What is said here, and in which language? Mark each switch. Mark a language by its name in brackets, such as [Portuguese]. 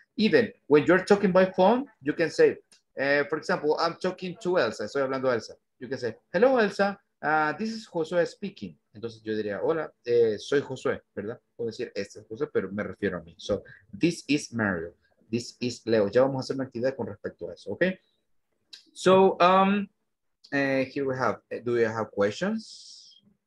[English] Even when you're talking by phone, you can say, for example, I'm talking to Elsa, [Spanish] estoy hablando a Elsa. [English] You can say, hello Elsa, this is Josué speaking. [Spanish] Entonces yo diría, hola, soy Josué, ¿verdad? Puedo decir, este es Josué, pero me refiero a mí. [English] So, this is Mario, this is Leo. [Spanish] Ya vamos a hacer una actividad con respecto a eso, ¿ok? [English] So, here we have, do you have questions?